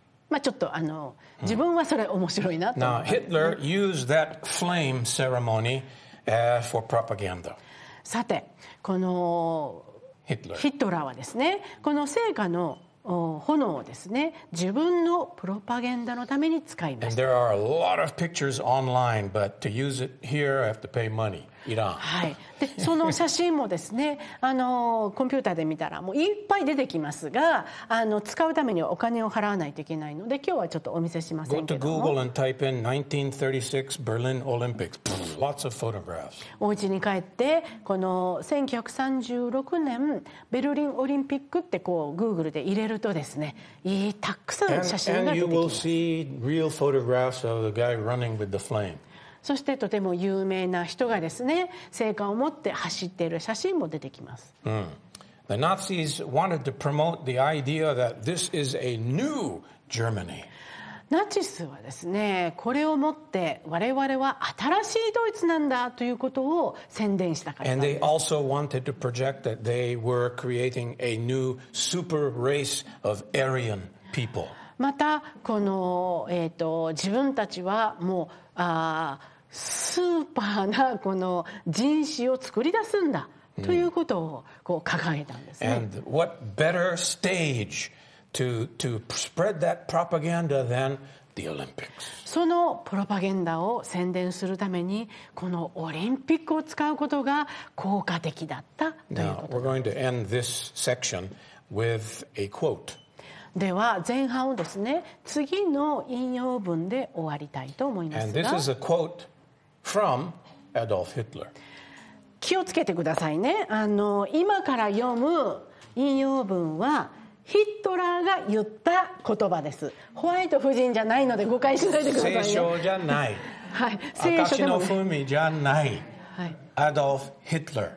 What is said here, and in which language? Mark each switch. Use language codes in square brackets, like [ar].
[ja] まあちょっと自分はそれ面白いなと思った。 [en] Now Hitler used that flame ceremony for propaganda。 [ja] さて、このヒトラーはですね、この聖火の炎をですね、自分のプロパガンダのために使いました。 [en] And there are a lot of pictures online, but to use it here, I have to pay money. Iran. [ja] はい。で、その写真もですね、コンピューターで見たらもういっぱい出てきますが、使うためにはお金を払わないといけないので、今日はちょっとお見せしませんけども。 [en] Go to Google and type in 1936 Berlin Olympics. Lots of photographs. [ja] お家に帰ってこの1936年ベルリンオリンピックってこう Google で入れるとですね、たくさん写真が出てきます。 [en] And you will see real photographs of the guy running with the flame. [ja] そしてとても有名な人がですね、聖火を持って走っている写真も出てきます。 Mm. [en] The Nazis wanted to promote the idea that this is a new Germany. [ja] ナチスはですね、これをもって我々は新しいドイツなんだということを宣伝したかったんです。 [en] And they also wanted to project that they were creating a new super race of Aryan people. [ja] また、この、自分たちはもうスーパーなこの人種を作り出すんだということをこう掲げたんですね。 [en] And what better stage to spread that propaganda than the Olympics? [ja] そのプロパガンダを宣伝するためにこのオリンピックを使うことが効果的だったということです。 [en] Now we're going to end this section with a quote. [ja] では前半をですね、次の引用文で終わりたいと思いますが、 [en] And this is a quote from Adolf Hitler. [ja] 気をつけてくださいね。あの今から読む引用文はヒットラーが言った言葉です。ホワイト夫人じゃないので誤解しないでくださいね。聖書じゃない、はい、聖書でもね、明石の文じゃない、はい、アドルフ・ヒットラー、